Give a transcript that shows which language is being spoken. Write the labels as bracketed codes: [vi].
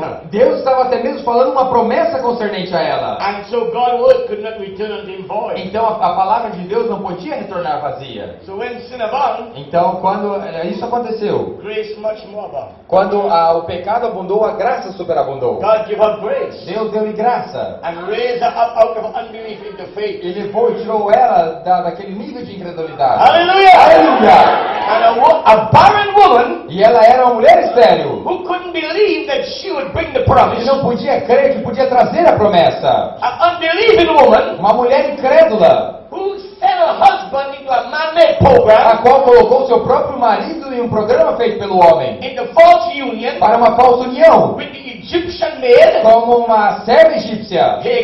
[pt] Deus estava até mesmo falando uma promessa concernente a ela. [en] And so God's word could not return unto him void. [pt] Então a palavra de Deus não podia retornar vazia. [en] So when sin abound, [pt] então quando isso aconteceu, [en] grace much more abound. [pt] Quando o pecado abundou, a graça superabundou. [en] God gave her grace. [pt] Deus deu-lhe graça. [en] And raised her up out of unbelief into faith. [pt] E depois tirou ela daquele nível de incredulidade. Aleluia! Aleluia! [en] And a barren woman. [pt] E ela era uma mulher estéril. [en] Who couldn't believe that she would bring the promise. [pt] E não podia crer que podia trazer a promessa. [en] An unbelieving woman. [pt] Uma mulher incrédula. [en] Who said her husband. [pt] a qual colocou seu próprio marido em um programa feito pelo homem, para uma falsa união, como uma serva egípcia,